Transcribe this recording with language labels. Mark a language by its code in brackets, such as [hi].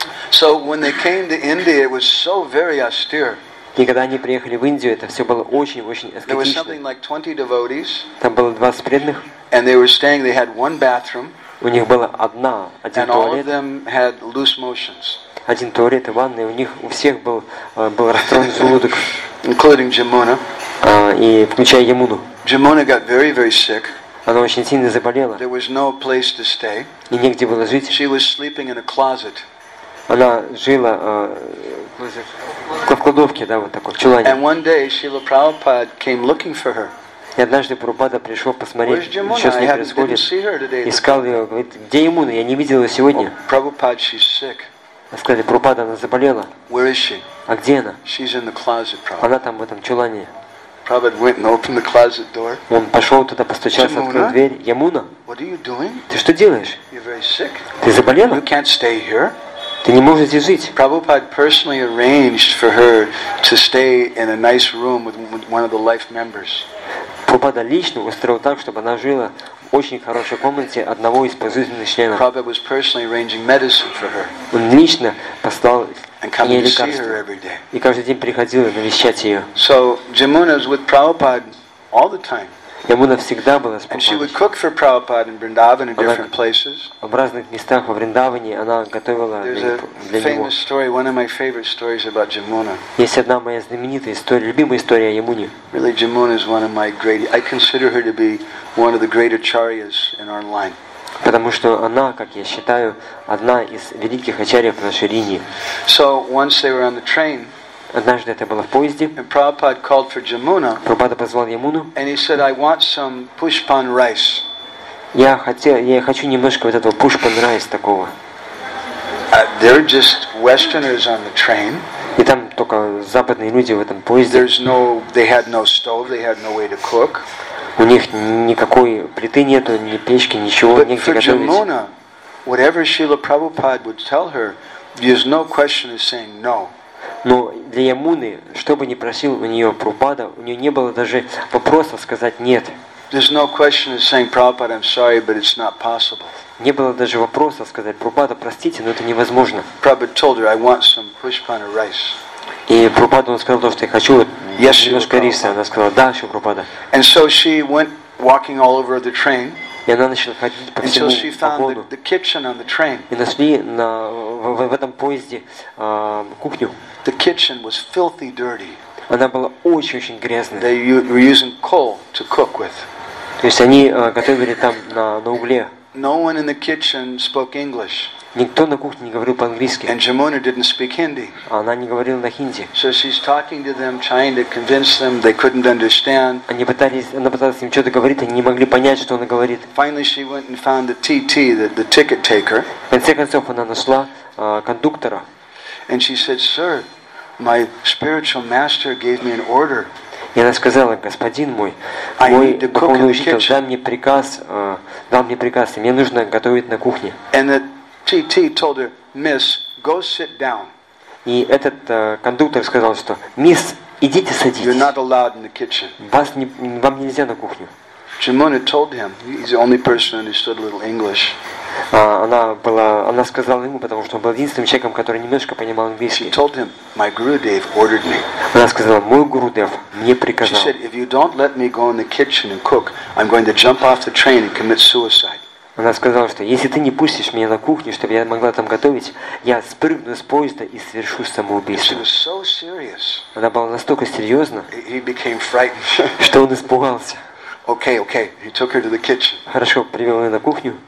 [en] So when they came to India, it was so very austere. [ru] И когда они приехали в Индию, это все было очень-очень аскетично. [en] There was something like 20 devotees. [ru] Там было 20 преданных. [en] And they were staying. They had one bathroom. [ru] У них было один туалет. [en] And all of them had loose motions. [ru] Один туалет и ванная, у них у всех был расстроенный желудок. [en] Including Jamuna. [ru] И включая Ямуну. [en] Jamuna got very, very sick. [ru] Она очень сильно заболела. [en] There was no place to stay. [ru] И негде было жить. [en] She was sleeping in a closet. [ru] Она жила в кладовке, да, вот такой, в чулане. [en] And one day Srila Prabhupada came looking for her. [ru] И однажды Прабхупада пришел посмотреть, что с ней происходит. Искал ее, говорит, где Ямуна? Я не видел ее сегодня. [en] Prabhupada, she's sick. [ru] Сказали, Прабхупада, она заболела. [en] Where is she? [ru] А где она? [en] She's in the closet, Prabhupada. [ru] Она там в этом чулане. [en] Prabhupada went and opened the closet door. [ru] Он пошел туда, постучался, [en] Jamuna? [ru] Открыл дверь. Ямуна? [en] What are you doing? [ru] Ты что делаешь? [en] You're very sick. [ru] Ты заболела? [en] You can't stay here. [ru] Ты не можешь здесь жить. [en] Prabhupada personally arranged for her to stay in a nice room with one of the life members. [ru] Прабхупада лично устроил так, чтобы она жила в очень хорошей комнате одного из пожизненных членов. [en] Prabhupada was personally arranging medicine for her. [ru] Он лично послал ей лекарства и каждый день приходил навещать ее. [en] So Jamuna was with Prabhupada all the time. [ru] Ему навсегда было с Прабхупадой. [en] And she would cook for Prabhupada in Vrindavan in different places. [ru] В разных местах во Вриндаване она готовила для него. [en] There's a famous story, one of my favorite stories about Jamuna. [ru] Есть одна моя знаменитая история, любимая история о Ямуне. [en] Really, Jamuna is one of my great. I consider her to be one of the great acharyas in our line. [ru] Потому что она, как я считаю, одна из великих ачарьев нашей линии. [en] So once they were on the train. [ru] Однажды это было в поезде. [en] And Prabhupada called for Jamuna. [ru] Прабхупада позвал Ямуну. [en] And he said, I want some pushpan rice. [ru] Я хочу немножко вот этого pushpan rice такого. [en] They're just westerners on the train. [ru] И там только западные люди в этом поезде. [en] There's no, they had no stove, they had no way to cook. [ru] У них никакой плиты нету, ни печки, ничего, негде готовить. [en] But for Jamuna, whatever Srila Prabhupada would tell her, there's no question of saying no. [ru] Но для Ямуны, что бы ни просил у нее Прабхупада, у нее не было даже вопроса сказать «нет». [en] There's no question of saying, Prabhupada, I'm sorry, but it's not possible. [ru] Не было даже вопроса сказать, Прабхупада, простите, но это невозможно. [en] Prabhupada told her, I want some pushpana rice. [ru] И Прабхупада, он сказал то, что я хочу [en] yes, [ru] немножко риса. Она сказала, да, еще Прабхупада. [en] And so she went walking all over the train. [ru] И она начала ходить по всему вагону. [en] The kitchen on the train. [ru] И нашли в этом поезде кухню. [en] The kitchen was filthy, dirty. [ru] Она была очень-очень грязная. [en] They were using coal to cook with. [ru] То есть они готовили там на угле. [en] No one in the kitchen spoke English. [ru] Никто на кухне не говорил по-английски. [en] And Jamuna didn't speak Hindi. [ru] Она не говорила на хинди. [en] So she's talking to them, trying to convince them. They couldn't understand. [ru] Она пыталась им что-то говорить, они не могли понять, что она говорит. [en] Finally, she went and found the TT, the ticket taker. [ru] В конце концов, она нашла кондуктора. [en] And she said, "Sir, my spiritual master gave me an order." [ru] И она сказала, господин мой, мой духовный учитель дал мне приказ, и мне нужно готовить на кухне. [en] And the TT told her, "Miss, go sit down." [ru] И этот кондуктор сказал, что, мисс, идите садитесь. [en] You're not allowed in the kitchen. [ru] Вам нельзя на кухню. [en] Jamuna told him, he's the only person who understood a little English. [ru] Она сказала ему, потому что он был единственным человеком, который немножко понимал английский. [en] She told him, my Gurudev ordered me. [ru] Она сказала, мой Гурудев мне приказал. [en] She said, if you don't let me go in the kitchen and cook, I'm going to jump off the train and commit suicide. [ru] Она сказала, что если ты не пустишь меня на кухню, чтобы я могла там готовить, я спрыгну с поезда и совершу самоубийство. [en] She was so [ru] она была настолько серьезна, [en] he became frightened. [ru] Что он испугался. [en] Okay, okay. He took her to the kitchen. [ru] Хорошо, привел ее на кухню.